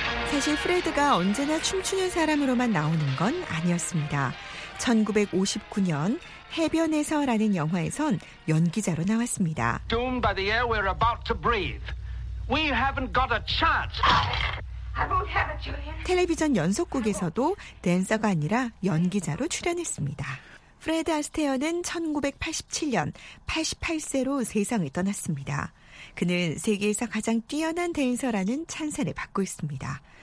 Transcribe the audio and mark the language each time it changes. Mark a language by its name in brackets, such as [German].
[Korean] 사실 프레드가 언제나 춤추는 사람으로만 나오는 건 아니었습니다. 1959년 해변에서라는 영화에선 연기자로 나왔습니다. [English] Doomed by the air we're about to breathe. We haven't got a chance. I won't have it, Julian. [Korean] 텔레비전 연속극에서도 댄서가 아니라 연기자로 출연했습니다. 프레드 아스테어는 1987년 88세로 세상을 떠났습니다. 그는 세계에서 가장 뛰어난 댄서라는 찬사를 받고 있습니다.